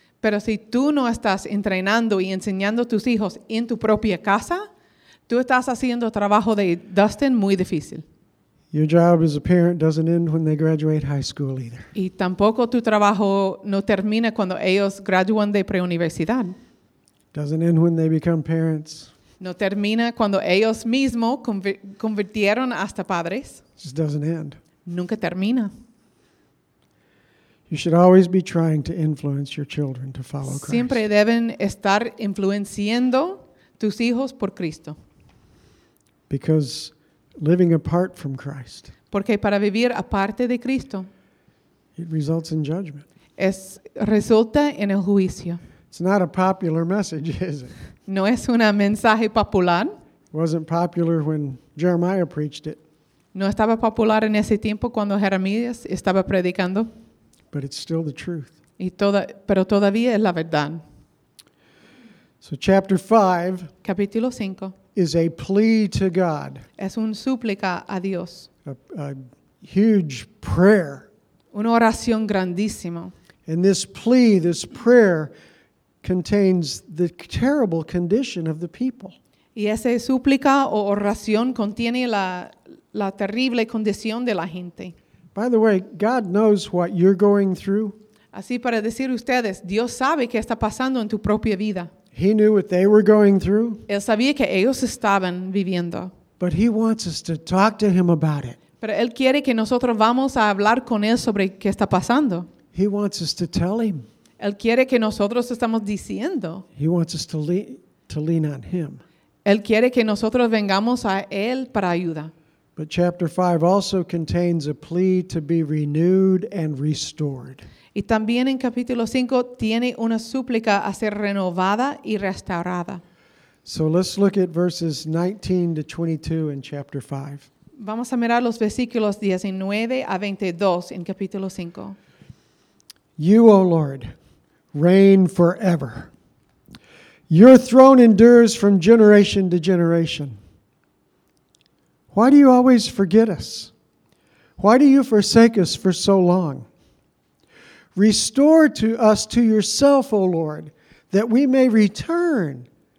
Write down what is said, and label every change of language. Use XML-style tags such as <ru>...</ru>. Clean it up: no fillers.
<es>Pero si tú no estás entrenando y enseñando a tus hijos en tu propia casa, tú estás haciendo trabajo de Dustin muy difícil.</es> <en>Your job as a parent doesn't end when they graduate high school either.</en> <es>Y tampoco tu trabajo no termina cuando ellos gradúan de preuniversidad.</es> <en>Doesn't end when they become parents.</en> <es>No termina cuando ellos mismos convirtieron hasta padres.</es> <en>Just doesn't end.</en> <es>Nunca termina.</es> <en>You should always be trying to influence your children to follow Christ.</en> <es>Siempre deben estar influenciando tus hijos por Cristo.</es> <en>Because living apart from Christ.</en> <es>Porque para vivir aparte de Cristo.</es> <en>It results in judgment.</en> <es>Resulta en el juicio.</es> <en>It's not a popular message, is it?</en> <es>No es un mensaje popular.</es> <en>It wasn't popular when Jeremiah preached it.</en> <es>No estaba popular en ese tiempo cuando Jeremías estaba predicando.</es> <en>But it's still the truth.</en> <es>Pero todavía es la verdad.</es> <en>So chapter 5,</en> <es>capítulo 5,</es> <en>is a plea to God.</en> <es>Es un súplica a Dios.</es> <en>A huge prayer.</en> <es>Una oración grandísima.</es> <en>And this plea, this prayer, contains the terrible condition of the people.</en> <es>Y esa súplica o oración contiene la terrible condición de la gente.</es> <en>By the way, God knows what you're going through.</en> <es>Así para decir ustedes, Dios sabe qué está pasando en tu propia vida.</es> <en>He knew what they were going through.</en> <es>Él sabía que ellos estaban viviendo.</es> <en>But he wants us to talk to him about it.</en> <es>Pero él quiere que nosotros vamos a hablar con él sobre qué está pasando.</es> <en>He wants us to tell him.</en> <es>Él quiere que nosotros estamos diciendo.</es> <en>He wants us to lean on him.</en> <es>Él quiere que nosotros vengamos a él para ayuda.</es> <en>But chapter 5 also contains a plea to be renewed and restored.</en> <es>Y también en capítulo 5 tiene una súplica a ser renovada y restaurada.</es> <en>So let's look at verses 19 to 22 in chapter 5.</en> <es>Vamos a mirar los versículos 19 a 22 en capítulo 5.</es> <en>You, O Lord, reign forever. Your throne endures from generation to generation. Why do you always forget us? Why do you forsake us for so long? Restore to us to yourself, O Lord, that we may return.</en>